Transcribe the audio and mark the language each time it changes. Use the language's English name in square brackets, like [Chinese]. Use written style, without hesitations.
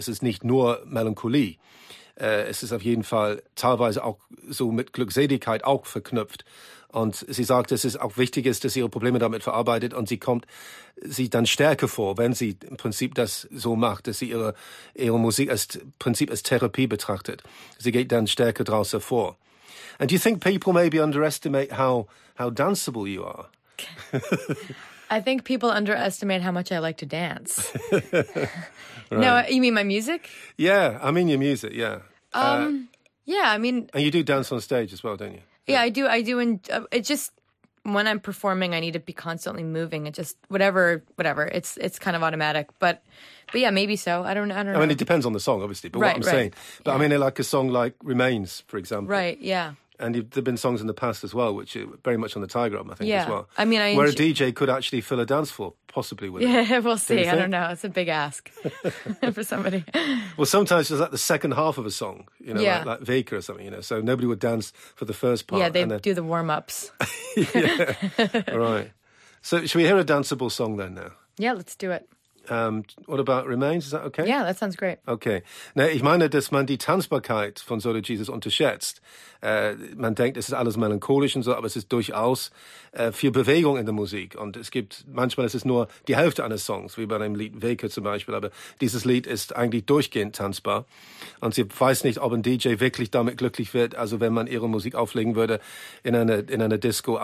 [German] Es ist nicht nur Melancholie. Es ist auf jeden Fall teilweise auch so mit Glückseligkeit auch verknüpft. Und sie sagt, dass es auch wichtig ist, dass sie ihre Probleme damit verarbeitet. Und sie kommt sie dann stärker vor, wenn sie im Prinzip das so macht, dass sie ihre Musik als Prinzip als Therapie betrachtet. Sie geht dann stärker draus hervor. [English] And do you think people maybe underestimate how danceable you are? I think people underestimate how much I like to dance. Right. No, you mean my music? Yeah, I mean your music, yeah. Yeah, I mean... And you do dance on stage as well, don't you? Yeah, I do. I do. It's just when I'm performing, I need to be constantly moving. It just, whatever. It's kind of automatic. But yeah, maybe so. I don't know. I mean, it depends on the song, obviously. But right, what I'm saying. But yeah. I mean, like a song like Remains, for example. Right, yeah. And there have been songs in the past as well, which are very much on the Tiger album, I think, yeah. as well. I mean, where a DJ could actually fill a dance floor, possibly with yeah, it. Yeah, we'll see. I don't know. It's a big ask for somebody. Well, sometimes it's like the second half of a song, you know, yeah. like Vika or something, you know. So nobody would dance for the first part. Yeah, they do the warm-ups. Yeah, right. So should we hear a danceable song then now? Yeah, let's do it. What About Remains, is that okay? Yeah, that sounds great. Okay. [German] Na, ich meine, dass man die Tanzbarkeit von Solo Jesus unterschätzt. Man denkt, es ist alles melancholisch und so, aber es ist durchaus viel Bewegung in der Musik. Und es gibt, manchmal ist es nur die Hälfte eines Songs, wie bei dem Lied Weke zum Beispiel. Aber dieses Lied ist eigentlich durchgehend tanzbar. Und sie weiß nicht, ob ein DJ wirklich damit glücklich wird, also wenn man ihre Musik auflegen würde in eine Disco.